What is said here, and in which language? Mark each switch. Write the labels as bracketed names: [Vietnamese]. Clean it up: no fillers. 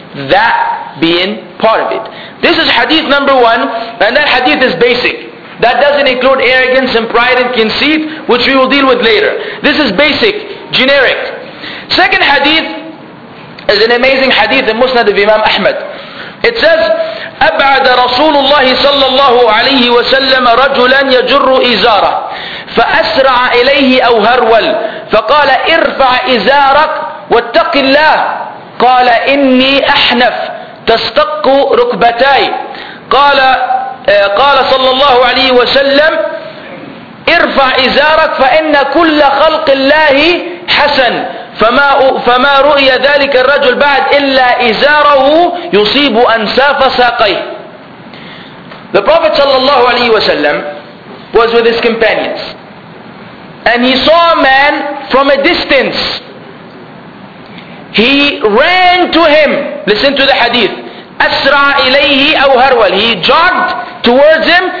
[English] That being part of it. This is hadith number one, and that hadith is basic. That doesn't include arrogance and pride and conceit, which we will deal with later. This is basic, generic. Second hadith is an amazing hadith in Musnad of Imam Ahmad. It says, [Arabic] أبعد رسول الله صلى الله عليه وسلم رجلا يجر إزارة فأسرع إليه أو هرول فقال ارفع إزارك واتق الله قال إني أحنف تستق ركبتاي قال صلى الله عليه وسلم ارفع إزارك فإن كل خلق الله حسن فما رؤي ذلك الرجل بعد إلا إزاره يصيب أنساف ساقيه. [English] The Prophet صلى الله عليه وسلم was with his companions and he saw a man from a distance. He ran to him. Listen to the hadith. [Arabic] أسرع إليه أو هرول. [English] He jogged towards him.